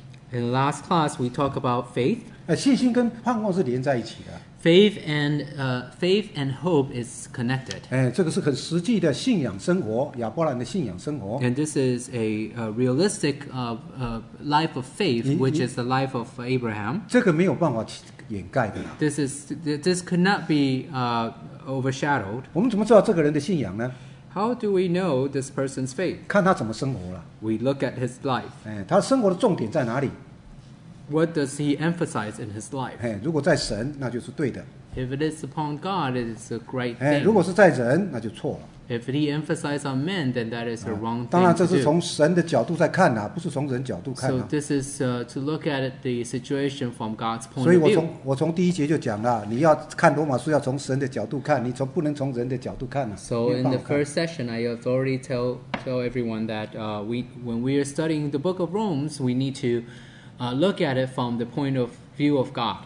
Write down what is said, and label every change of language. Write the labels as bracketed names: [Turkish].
[English] In the last class, we talk about faith. [Chinese] 信心跟盼望是连在一起的。 [English] Faith and hope is connected. [Chinese] 这个是很实际的信仰生活，亚伯兰的信仰生活。 [English] And this is a realistic life of faith, which is the life of Abraham. [Chinese] 这个没有办法掩盖的。 [English] This could not be overshadowed. [Chinese] 我们怎么知道这个人的信仰呢？ [English] How do we know this person's faith? [Chinese] 看他怎么生活了。 [English] We look at his life. [Chinese] 他生活的重点在哪里？ [English] What does he emphasize in his life? [Chinese] 如果在神，那就是对的。 [English] If it is upon God, it is a great thing. [Chinese] 如果是在人，那就错了。 [English] If he emphasizes on men, then that is a wrong thing. [Chinese] 当然，这是从神的角度在看不是从人角度看。 [English] So this is to look at the situation from God's point of view. [Chinese] 所以我从第一节就讲了，你要看罗马书要从神的角度看，你从不能从人的角度看了。 [English] So in the first session, I have already tell everyone that when we are studying the book of Romans, we need to look at it from the point of view of God.